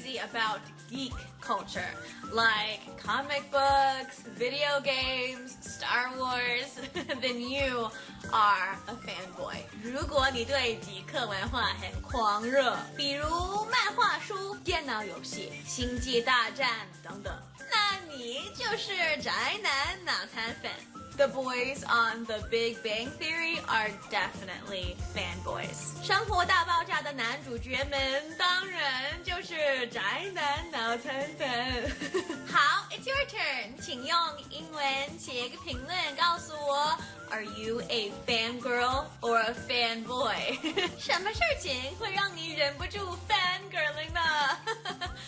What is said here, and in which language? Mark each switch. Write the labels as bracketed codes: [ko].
[en] About geek culture, like comic books, video games, Star Wars, then you are a fanboy. [zh] 如果你对极客文化很狂热，比如漫画书、电脑游戏、星际大战等等，那你就是宅男脑残粉。 [en] The boys on The Big Bang Theory are definitely fanboys. [zh] 生活大爆炸的男主角们当然就是宅男脑残粉。好， it's your turn. 请用英文写一个评论告诉我， Are you a fangirl or a fanboy? 什么事情会让你忍不住 fangirling 呢？